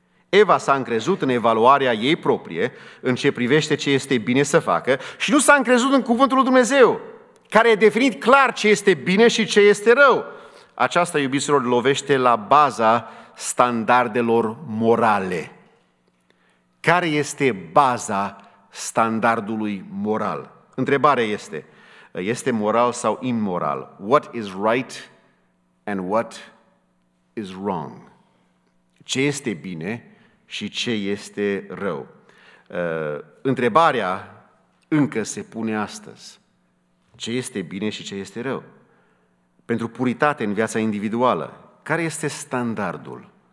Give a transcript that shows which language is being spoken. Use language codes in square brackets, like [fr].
[ro] Eva s-a încrezut în evaluarea ei proprie, în ce privește ce este bine să facă, și nu s-a încrezut în cuvântul lui Dumnezeu, care a definit clar ce este bine și ce este rău. Aceasta, iubiților, lovește la baza standardelor morale. Care este baza standardului moral? Întrebarea este, este moral sau imoral? [en] What is right and what is wrong? [ro] Ce este bine și ce este rău? Întrebarea încă se pune astăzi. Ce este bine și ce este rău? Pentru puritate în viața individuală, care este standardul?